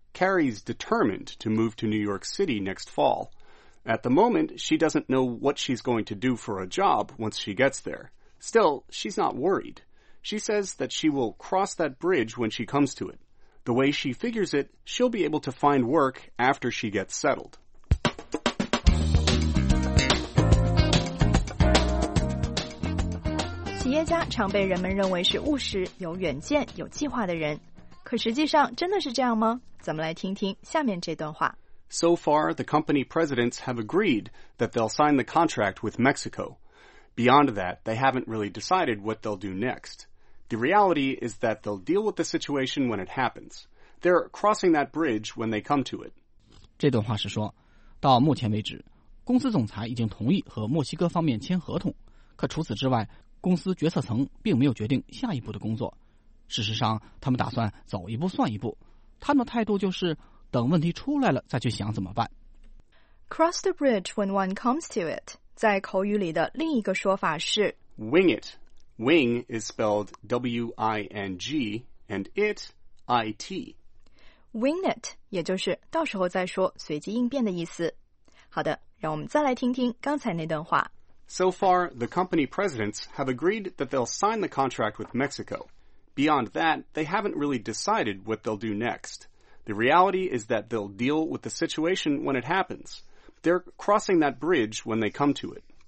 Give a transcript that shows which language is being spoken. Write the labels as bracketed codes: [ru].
[en] K Carrie's determined to move to New York City next fall. At the moment, she doesn't know what she's going to do for a job once she gets there. Still, she's not worried. She says that she will cross that bridge when she comes to it. The way she figures it, she'll be able to find work after she gets settled. [zh] 企业家常被人们认为是务实、有远见、有计划的人，可实际上真的是这样吗？咱们来听听下面这段话。 [en] So far, the company presidents have agreed that they'll sign the contract with Mexico. Beyond that, they haven't really decided what they'll do next. The reality is that they'll deal with the situation when it happens. They're crossing that bridge when they come to it. [zh] 这段话是说，到目前为止，公司总裁已经同意和墨西哥方面签合同，可除此之外，公司决策层并没有决定下一步的工作。事实上，他们打算走一步算一步。他们的态度就是等问题出来了再去想怎么办。 [en] Cross the bridge when one comes to it， [zh] 在口语里的另一个说法是 [en] wing it。 Wing is spelled W-I-N-G and it I-T。 Wing it， [zh] 也就是到时候再说，随机应变的意思。好的，让我们再来听听刚才那段话。 [en] So far, the company presidents have agreed that they'll sign the contract with Mexico. Beyond that, they haven't really decided what they'll do next. The reality is that they'll deal with the situation when it happens. They're crossing that bridge when they come to it.